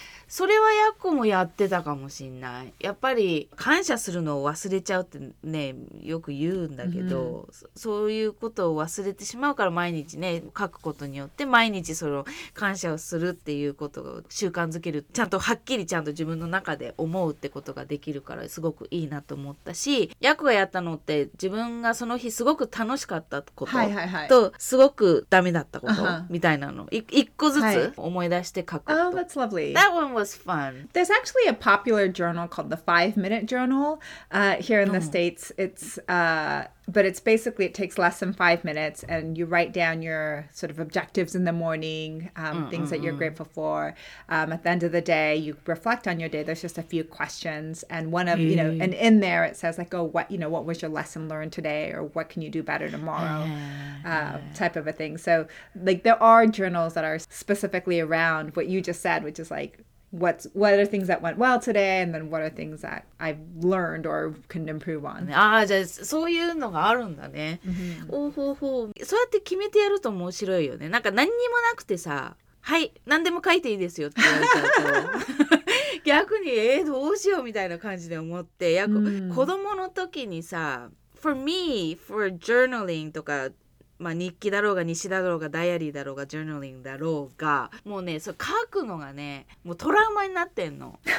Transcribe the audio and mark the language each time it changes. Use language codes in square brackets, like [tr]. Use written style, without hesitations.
[ja] それはヤッコもやってたかもしれない。やっぱり感謝するのを忘れちゃうってね、よく言うんだけど、うん、そういうことを忘れてしまうから毎日ね書くことによって毎日その感謝をするっていうことを習慣づける、ちゃんとはっきりちゃんと自分の中で思うってことができるからすごくいいなと思ったし、ヤッコがやったのって自分がその日すごく楽しかったこと、はいはいはい、とすごくダメだったことみたいなの、一個ずつ思い出して書くと、はい、 [en] Oh, that's lovely. That one was fun. There's actually a popular journal called the 5-Minute Journal here in the States. But it's basically, it takes less than 5 minutes and you write down your sort of objectives in the morning, things that you're grateful for. At the end of the day, you reflect on your day. There's just a few questions. And one of, you know, and in there it says like, oh, what, you know, what was your lesson learned today? Or what can you do better tomorrow? Type of a thing. So like there are journals that are specifically around what you just said, which is like, what are things that went well today? And then what are things that I've learned or can improve on? [ja] ああ、じゃあそういうのがあるんだね。うん、おほほ。そうやって決めてやると面白いよね。なんか何にもなくてさ、はい、何でも書いていいですよって言われちゃうと、逆に、どうしようみたいな感じで思って、やっぱ、うん、子供の時にさ、 [en] for me, for journaling [ja] とか、まあ、日記だろうが日誌だろうがダイアリーだろうがジャーナリングだろうがもうねそれ書くのがねもうトラウマになってんの。